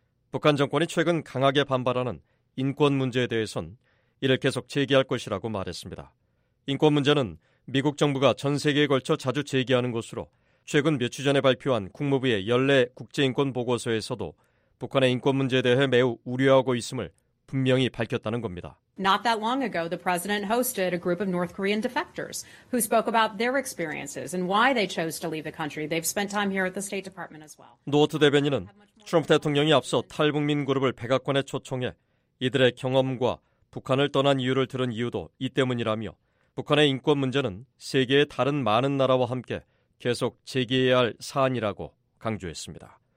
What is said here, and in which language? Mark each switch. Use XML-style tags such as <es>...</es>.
<ko>북한 정권이 최근 강하게 반발하는 인권 문제에 대해선 이를 계속 제기할 것이라고 말했습니다. 인권 문제는 미국 정부가 전 세계에 걸쳐 자주 제기하는 것으로 최근 며칠 전에 발표한 국무부의 연례 국제인권보고서에서도 북한의 인권 문제에 대해 매우 우려하고 있음을 분명히 밝혔다는 겁니다.</ko> <en>Not that long ago, the president hosted a group of North Korean defectors who spoke about their experiences and why they chose to leave the country. They've spent time here at the State Department as well.</en> <ko>노어트 대변인은 트럼프 대통령이 앞서 탈북민 그룹을 백악관에 초청해 이들의 경험과 북한을 떠난 이유를 들은 이유도 이 때문이라며 북한의 인권 문제는 세계의 다른 많은 나라와 함께 계속 제기해야 할 사안이라고 강조했습니다.</ko>